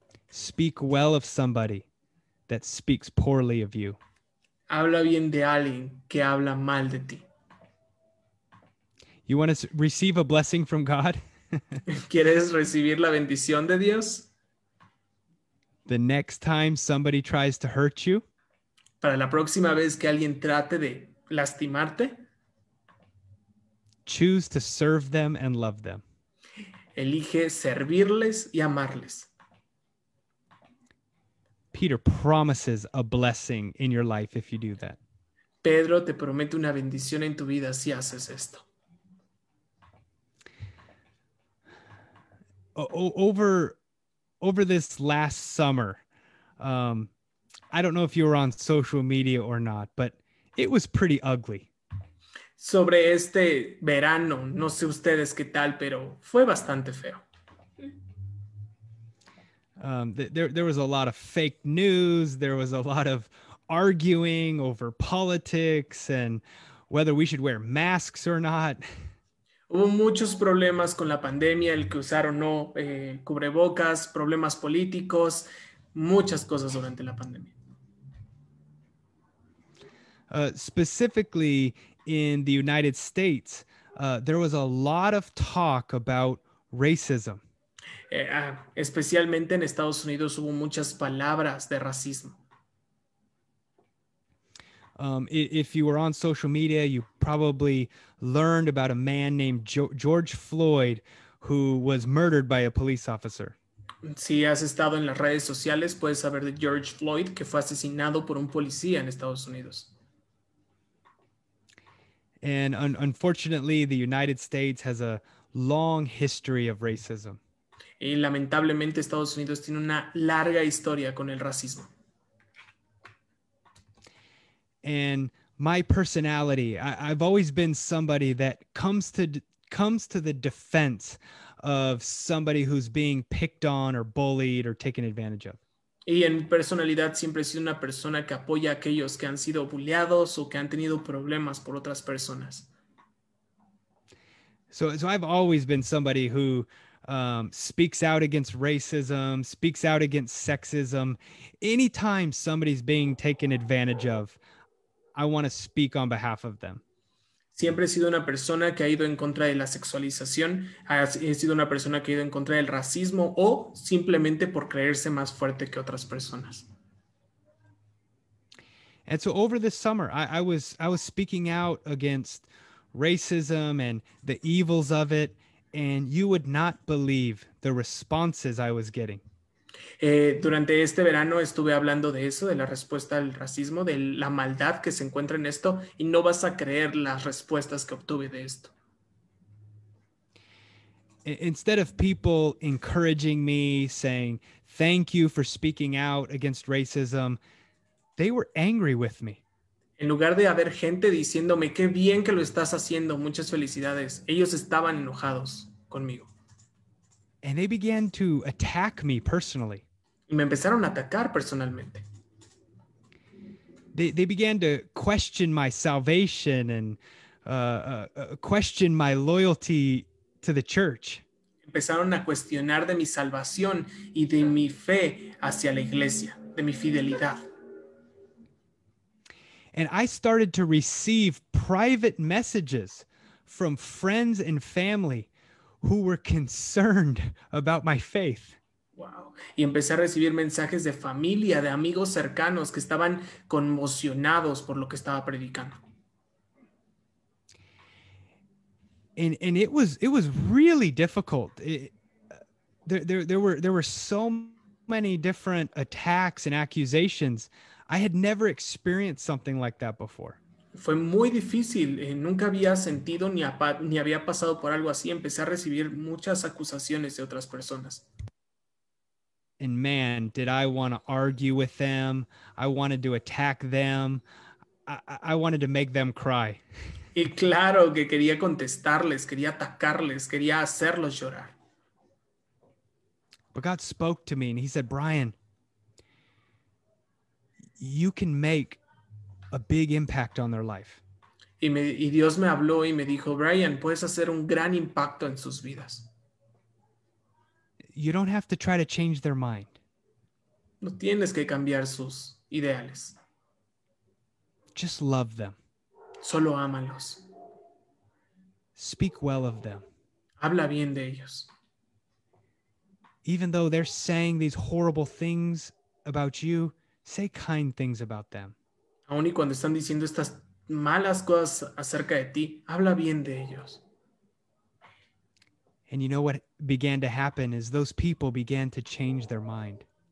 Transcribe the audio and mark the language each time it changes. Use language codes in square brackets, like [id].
[en] Speak well of somebody that speaks poorly of you. [es] Habla bien de alguien que habla mal de ti. [en] You want to receive a blessing from God? [es] ¿Quieres recibir la bendición de Dios? [en] The next time somebody tries to hurt you? [es] Para la próxima vez que alguien trate de lastimarte? [en] Choose to serve them and love them. [es] Elige servirles y amarles. [en] Peter promises a blessing in your life if you do that. [es] Pedro te promete una bendición en tu vida si haces esto. [en] Over this last summer, I don't know if you were on social media or not, but it was pretty ugly. [es] Sobre este verano, no sé ustedes qué tal, pero fue bastante feo. [en] There was a lot of fake news. There was a lot of arguing over politics and whether we should wear masks or not. [es] Hubo muchos problemas con la pandemia, el que usar o no cubrebocas, problemas políticos, muchas cosas durante la pandemia. [en] Specifically in the United States, there was a lot of talk about racism. [es] Especialmente en Estados Unidos hubo muchas palabras de racismo. [en] If you were on social media, you probably learned about a man named George Floyd who was murdered by a police officer. [es] Si has estado en las redes sociales, puedes saber de George Floyd, que fue asesinado por un policía en Estados Unidos. [en] And unfortunately, the United States has a long history of racism. [es] Y lamentablemente Estados Unidos tiene una larga historia con el racismo. [en] And my personality, I've always been somebody that comes to the defense of somebody who's being picked on or bullied or taken advantage of. [es] Y en personalidad siempre he sido una persona que apoya a aquellos que han sido bulleados o que han tenido problemas por otras personas. [en] So I've always been somebody who speaks out against racism, speaks out against sexism. Anytime somebody's being taken advantage of, I want to speak on behalf of them. [es] Siempre he sido una persona que ha ido en contra de la sexualización, he sido una persona que ha ido en contra del racismo o simplemente por creerse más fuerte que otras personas. [en] And so over this summer, I was speaking out against racism and the evils of it, and you would not believe the responses I was getting. [es] Durante este verano estuve hablando de eso, de la respuesta al racismo, de la maldad que se encuentra en esto, y no vas a creer las respuestas que obtuve de esto. [en] Instead of people encouraging me, saying thank you for speaking out against racism, they were angry with me. [es] En lugar de haber gente diciéndome qué bien que lo estás haciendo, muchas felicidades, ellos estaban enojados conmigo. [en] And they began to attack me personally. [es] Y me empezaron a atacar personalmente. [en] They began to question my salvation and question my loyalty to the church. [es] Empezaron a cuestionar de mi salvación y de mi fe hacia la iglesia, de mi fidelidad. [en] And I started to receive private messages from friends and family who were concerned about my faith. Wow. [es] Y empecé a recibir mensajes de familia, de amigos cercanos que estaban conmocionados por lo que estaba predicando. [en] And it was really difficult. There were so many different attacks and accusations. I had never experienced something like that before. [es] Fue muy difícil, nunca había sentido ni había pasado por algo así. Empecé a recibir muchas acusaciones de otras personas. [en] And man, did I want to argue with them. I wanted to attack them. I wanted to make them cry. [es] Y claro que quería contestarles, quería atacarles, quería hacerlos llorar. [en] But God spoke to me and he said, Brian, you can make a big impact on their life. [es] Y Dios me habló y me dijo, Brian, puedes hacer un gran impacto en sus vidas. [en] You don't have to try to change their mind. [es] No tienes que cambiar sus ideales. [en] Just love them. [es] Solo ámalos. [en] Speak well of them. [es] Habla bien de ellos. [en] Even though they're saying these horrible things about you, say kind things about them. [es] Aun y cuando están diciendo estas malas cosas acerca de ti, habla bien de ellos. [en] And you know what began to happen is those people began to change their mind.